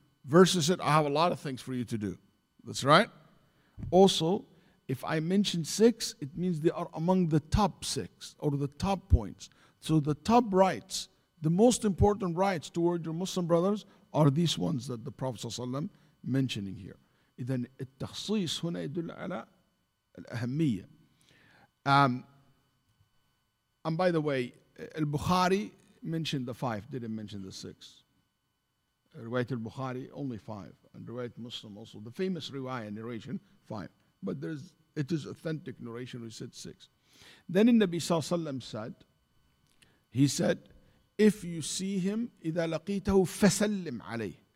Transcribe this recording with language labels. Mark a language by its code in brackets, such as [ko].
[en] Versus it, I have a lot of things for you to do. That's right? Also, if I mention six, it means they are among the top six or the top points. So the top rights, the most important rights toward your Muslim brothers are these ones that the Prophet ﷺ mentioning here. [ar] إذن التخصيص هنا يدل على الأهمية. [en] And by the way, Al-Bukhari mentioned the five, didn't mention the six. Riwayat Al-Bukhari, only five. And Riwayat Muslim also, the famous riwayah narration, five. But it is authentic narration, we said six. Then in Nabi Sallallahu Alaihi Wasallam said, he said, if you see him, [ar] إِذَا لَقِيتَهُ فَسَلِّمْ عَلَيْهِ.